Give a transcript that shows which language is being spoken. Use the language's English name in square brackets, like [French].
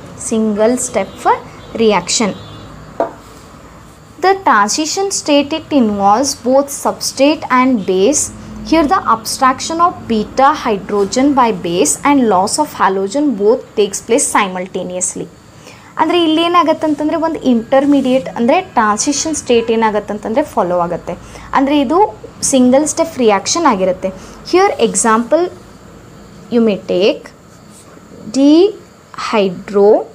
[English] Single step reaction. The transition state, it involves both substrate and base. Here the abstraction of beta hydrogen by base and loss of halogen both takes place simultaneously. [Kannada] ಅಂದರೆ ಇಲ್ಲಿ ಏನಾಗತ್ತಂತಂದರೆ ಒಂದು intermediate ಅಂದರೆ transition state ಏನಾಗತ್ತಂತಂದರೆ follow ಆಗುತ್ತೆ. ಅಂದರೆ ಇದು single step reaction ಆಗಿರುತ್ತೆ. [English] here example you may take the hydro